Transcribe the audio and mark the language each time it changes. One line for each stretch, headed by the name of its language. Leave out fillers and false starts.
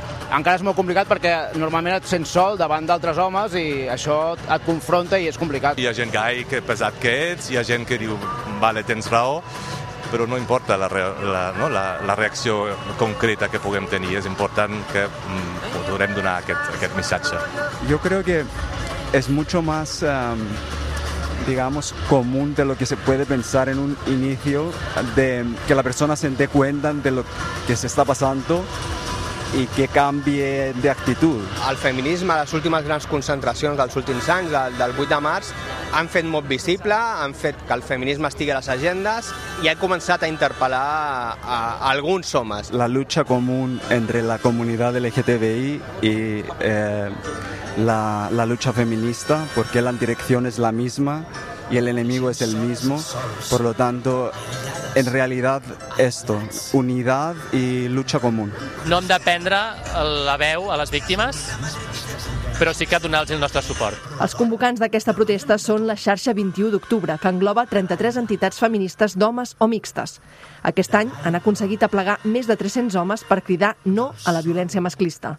Catalan: Encara és molt complicat perquè normalment et sents sol davant d'altres homes i això et confronta i és complicat. Hi ha gent gai, que pesat que ets, hi ha gent que diu, vale, tens raó, però no importa la reacció concreta que puguem tenir, és important que podrem donar aquest missatge. Jo crec que
Spanish: es mucho más, digamos, común de lo que se puede pensar en un inicio, de que la persona se dé cuenta de lo que se está pasando y que cambie de actitud.
Catalan: El feminisme, les últimes grans concentracions dels últims anys, del 8 de març, han fet molt visible, han fet que el feminisme estigui a les agendes i ha començat a interpel·lar a alguns homes.
Spanish: La lucha común entre la comunidad LGTBI y la lucha feminista, porque la dirección es la misma y el enemigo es el mismo. Por lo tanto, en realidad, esto, unidad y lucha común.
Catalan: No hem de prendre la veu a les víctimes, però sí que donar-los el nostre suport. Els convocants d'aquesta protesta són la xarxa 21 d'octubre, que engloba 33 entitats feministes d'homes o mixtes. Aquest any han aconseguit aplegar més de 300 homes per cridar no a la violència masclista.